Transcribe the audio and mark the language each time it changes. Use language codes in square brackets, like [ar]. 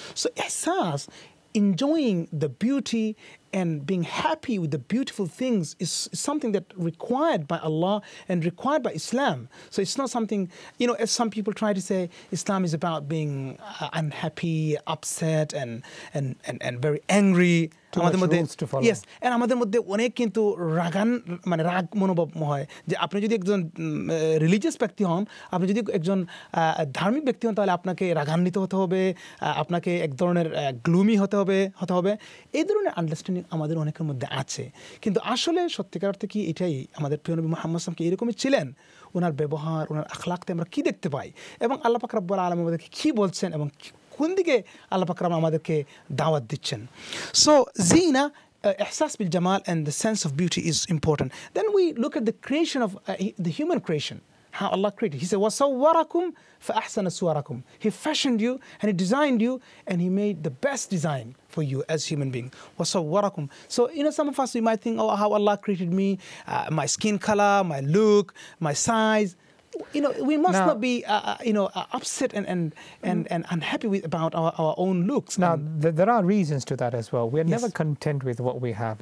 [en] So ihsas, enjoying the beauty and being happy with the beautiful things is something that required by Allah and required by Islam. So it's not something, you know, as some people try to say, Islam is about being unhappy, upset, and very angry. Too much rules to follow. Yes, and [bn] আমাদের মধ্যে অনেক কিন্তু রাগান মানে রাগ মনোভাব হয় যে আপনি যদি একজন রিলিজিয়াস ব্যক্তি হন আপনি যদি একজন ধার্মিক ব্যক্তি হন তাহলে আপনাকে রাগান্বিত হতে হবে আপনাকে এক ধরনের গ্লুমি হতে হবে এই ধরনের আন্ডারস্ট্যান্ডিং আমাদের অনেকের মধ্যে আছে কিন্তু আসলে সত্যিকার অর্থে কি এটাই আমাদের প্রিয় নবী মুহাম্মদ সাল্লাল্লাহু আলাইহি ওয়াসাল্লাম কি এরকমই ছিলেন ওনার ব্যবহার ওনার আখলাকতে আমরা কী দেখতে পাই এবং আল্লাহ পাক রব্বুল আলামিন আমাদেরকে কী বলছেন এবং কোন দিকে আল্লাহ পাক রাম আমাদেরকে দাওয়াত দিচ্ছেন [en] so জিনা ইহসাস বিল জামাল and the sense of beauty is important then we look at the creation of the human creation how Allah created he said [ar] ওয়াসাওয়ারাকুম ফাআহসানা সুওয়ারাকুম [en] He fashioned you and he designed you and he made the best design for you as human being. Wasawwarakum. So, you know, some of us, we might think, oh, how Allah created me, my skin color, my look, my size. You know, we must now, not be, upset and unhappy with about our own looks. Now, there are reasons to that as well. We are never content with what we have.